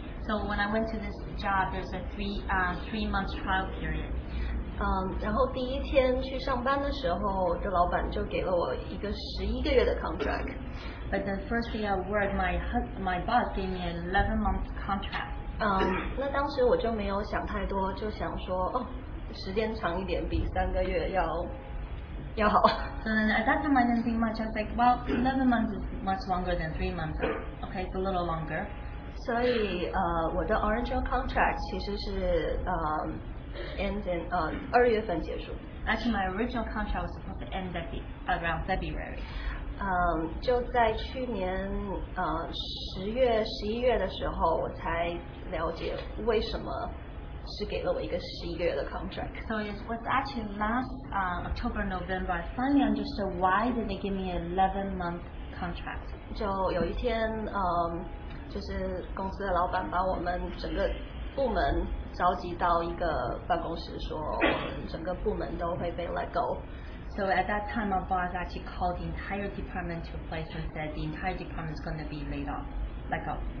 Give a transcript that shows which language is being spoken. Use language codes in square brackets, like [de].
[en] So when I went to this job, there's a three-month trial period. [zh] 然后第一天去上班的时候，这老板就给了我一个十一个月的 contract. [en] But the first day of work, my boss gave me an 11-month contract. [zh] 那当时我就没有想太多，就想说哦。时间长一点比三个月要好。 [en] So then at that time I didn't think much. I was like, well, 11 months is much longer than 3 months. Okay, it's a little longer. [zh] 所以我的 [en] original contract [zh] 其实是 [en] end in [zh] 二月份结束。 [en] Actually, my original contract was supposed to end around February. [zh] 就在去年十月十一月的时候，我才了解为什么。是给了我一个十一个月的 contract. [en] So it was actually last October, November, I finally understood why did they give me an 11-month contract. [zh] 就有一天，就是公司的老板把我们整个部门召集到一个办公室，说我们整个部门都会被 [en] let go. So at that time, my boss actually called the entire department to a place and said the entire department is going to be laid off, let go.